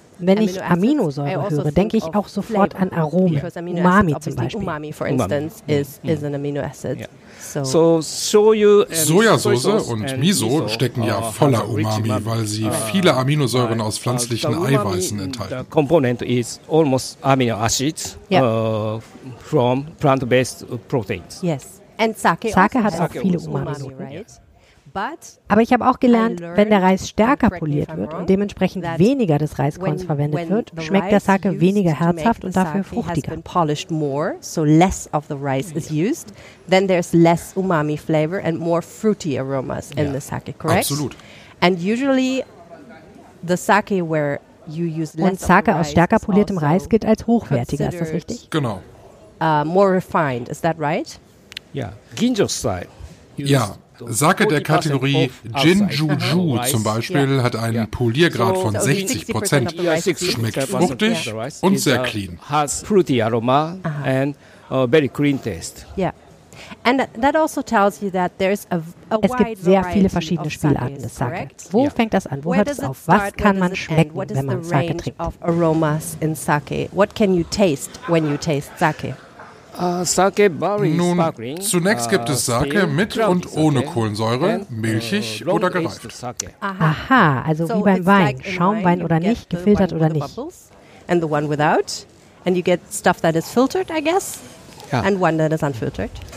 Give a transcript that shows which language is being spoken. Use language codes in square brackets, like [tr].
[de] Wenn ich Aminosäure höre, denke ich auch sofort an Aromen. Umami zum Beispiel. [en] Umami, for instance, is an amino acid. [de] Sojasauce und Miso stecken ja voller Umami, weil sie viele Aminosäuren aus pflanzlichen Eiweißen enthalten. [en] The component is almost amino acids from plant-based proteins. Yes. And Sake [de] hat auch viele Umami-Noten. Aber ich habe auch gelernt, wenn der Reis stärker poliert wird und dementsprechend weniger des Reiskorns verwendet wird, schmeckt der Sake weniger herzhaft und dafür fruchtiger. Polished more, so less of the rice is used, then there's less umami flavor and more fruity aromas in the sake, correct? Absolut. [en] And usually the sake where you use less. [de] Und Sake aus stärker poliertem Reis gilt als hochwertiger, ist das richtig? Genau. [en] More refined, is that right? Yeah. Ginjo style. [de] Ja. Sake der Kategorie Jinjuju zum Beispiel hat einen Poliergrad von 60%, schmeckt fruchtig und sehr clean. [en] Has fruity aroma and very clean taste. Yeah. And that also tells you that there's a [de] es gibt sehr viele verschiedene Spielarten des Sake. Wo fängt das an? Wo hört es auf? Was kann man schmecken, wenn man Sake trinkt? [en] What is the range of aromas in sake? What can you taste when you taste sake? Sake berry, [de] nun, zunächst gibt es Sake mit und ohne Kohlensäure, milchig oder gereift. Aha, also so wie beim Wein, like Schaumwein oder nicht, gefiltert oder nicht. [en] And the one without, and you get stuff that is filtered, I guess, and one that is unfiltered.